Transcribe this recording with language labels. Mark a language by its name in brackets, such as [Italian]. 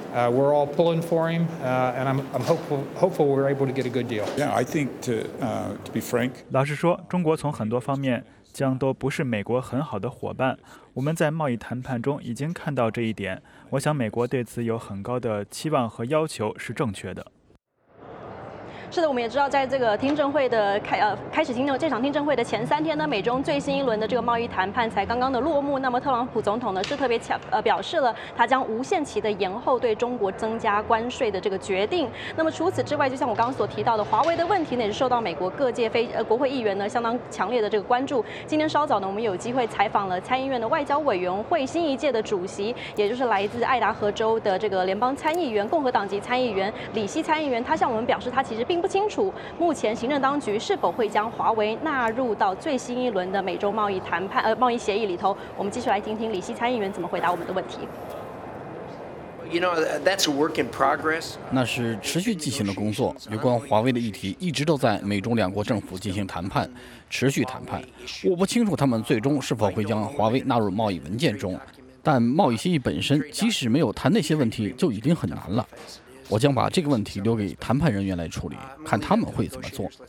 [English] We're all pulling for him, and I'm hopeful we're able to get a good deal. Yeah, I think to be frank. [Chinese] 老实说，中国从很多方面将都不是美国很好的伙伴。我们在贸易谈判中已经看到这一点。我想美国对此有很高的期望和要求是正确的。是的，我们也知道，在这个听证会的开始听证这场听证会的前三天呢，美中最新一轮的这个贸易谈判才刚刚的落幕。那么特朗普总统呢是特别表示了他将无限期的延后对中国增加关税的这个决定。那么除此之外，就像我刚刚所提到的，华为的问题呢也是受到美国各界国会议员呢相当强烈的这个关注。今天稍早呢，我们有机会采访了参议院的外交委员会新一届的主席，也就是来自爱达荷州的这个联邦参议员共和党籍参议员里希参议员，他向我们表示他其实并不清楚目前行政当局是否会将华为纳入到最新一轮的美洲贸易谈判贸易协议里头。我们继续来听听里希参议员怎么回答我们的问题。 [English] You know, that's a work in progress. [Chinese] 那是持续进行的工作。有关华为的议题一直都在美中两国政府进行谈判，持续谈判。我不清楚他们最终是否会将华为纳入贸易文件中，但贸易协议本身即使没有谈那些问题就已经很难了。我将把这个问题留给谈判人员来处理，看他们会怎么做。